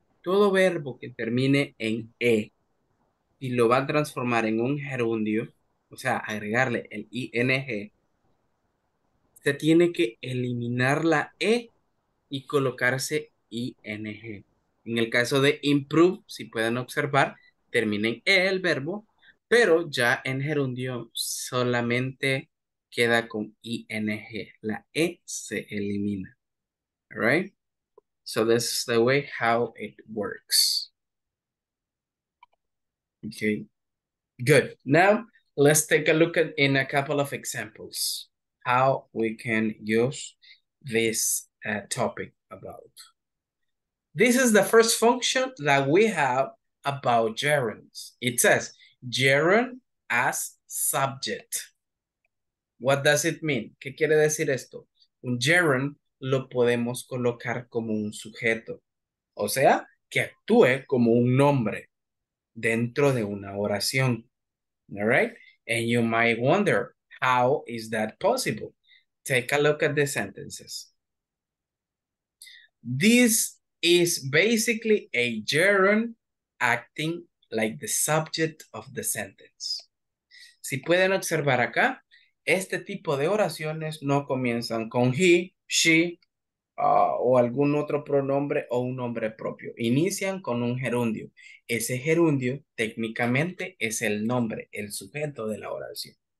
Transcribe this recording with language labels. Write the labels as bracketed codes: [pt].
[es] Todo verbo que termine en e y lo va a transformar en un gerundio, o sea, agregarle el ing, se tiene que eliminar la e y colocarse ing. En el caso de improve, si pueden observar, termina en e el verbo, pero ya en gerundio solamente queda con ing. La e se elimina. [en] All right? So this is the way how it works. Okay. Good. Now, let's take a look at in a couple of examples how we can use this topic about. This is the first function that we have about gerunds. It says gerund as subject. What does it mean? [es] ¿Qué quiere decir esto? Un gerund lo podemos colocar como un sujeto. O sea, que actúe como un nombre dentro de una oración. [en] All right? And you might wonder, how is that possible? Take a look at the sentences. This is basically a gerund acting like the subject of the sentence. [es] Si pueden observar acá, este tipo de oraciones no comienzan con he, she, o algún otro pronombre o un nombre propio. Inician con un gerundio. Ese gerundio técnicamente es el nombre, el sujeto de la oración.